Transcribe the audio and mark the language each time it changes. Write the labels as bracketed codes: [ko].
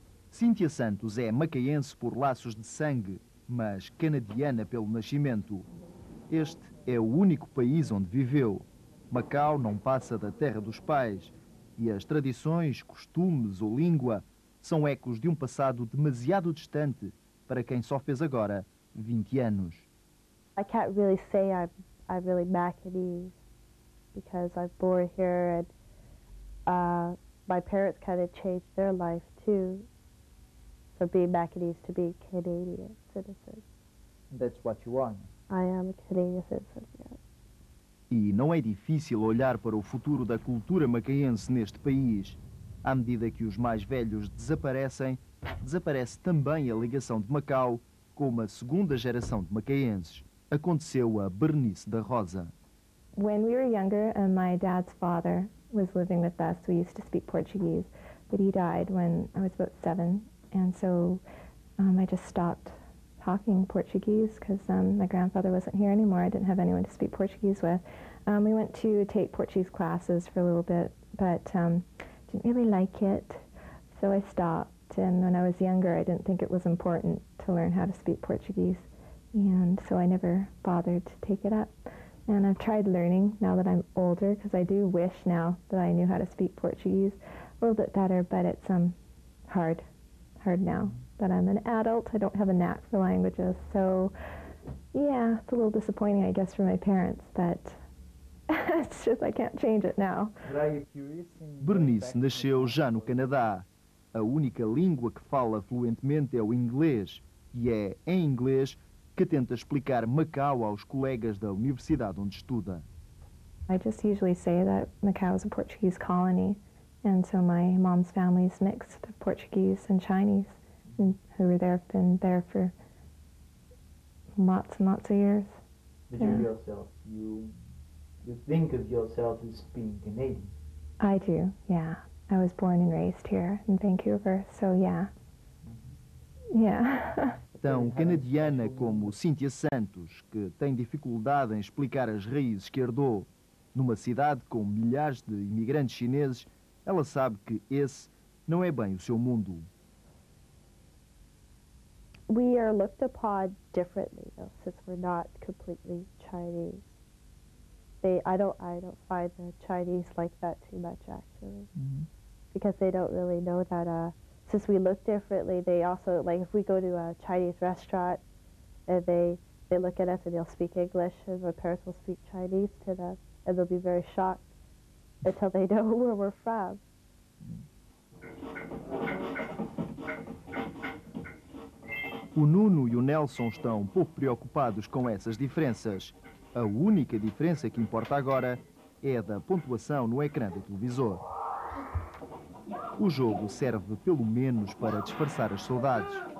[pt] Cíntia Santos é macaense por laços de sangue, mas canadiana pelo nascimento. Este é o único país onde viveu. Macau não passa da terra dos pais. E as tradições, costumes ou língua são ecos de um passado demasiado distante para quem só fez agora 20 anos. [en] I can't really say I'm really Macanese because I'm born here and my parents kind of changed their life too. From being Macanese to being Canadian citizen. That's what you are. I am a Canadian citizen, yes. [pt] E não é difícil olhar para o futuro da cultura macaense neste país. À medida que os mais velhos desaparecem, desaparece também a ligação de Macau com uma segunda geração de macaenses. Aconteceu a Bernice da Rosa. [en] When we were younger and my dad's father was living with us, we used to speak Portuguese, but he died when I was about 7. And so I just stopped talking Portuguese because my grandfather wasn't here anymore. I didn't have anyone to speak Portuguese with. We went to take Portuguese classes for a little bit, but didn't really like it. So I stopped. And when I was younger, I didn't think it was important to learn how to speak Portuguese. And so I never bothered to take it up. And I've tried learning now that I'm older because I do wish now that I knew how to speak Portuguese a little bit better, but it's hard. Hard now that I'm an adult. I don't have a knack for languages, so yeah, it's a little disappointing, I guess, for my parents, but it's just I can't change it now. [pt] Bernice nasceu já no Canadá. A única língua que fala fluentemente é o inglês, e é em inglês que tenta explicar Macau aos colegas da universidade onde estuda. [en] I just usually say that Macau is a Portuguese colony. And so my mom's family is mixed of Portuguese and Chinese, and who were there, been there for lots and lots of years. But yeah. You think of yourself as being Canadian? I do, yeah. I was born and raised here in Vancouver, so yeah. Mm-hmm. Yeah. [pt] Tão canadiana como Cíntia Santos, que tem dificuldade em explicar as raízes que herdou, numa cidade com milhares de imigrantes chineses, ela sabe que esse não é bem o seu mundo. [en] We are looked upon differently, though, since we're not completely Chinese. I don't find the Chinese like that too much, actually. Mm-hmm. because they don't really know that since we look differently, they also, like, if we go to a Chinese restaurant, they look at us and they'll speak English, and our parents will speak Chinese to them, and they'll be very shocked until they know where we're from. [pt] O Nuno e o Nelson estão pouco preocupados com essas diferenças. A única diferença que importa agora é a da pontuação no ecrã do televisor. O jogo serve pelo menos para disfarçar as saudades.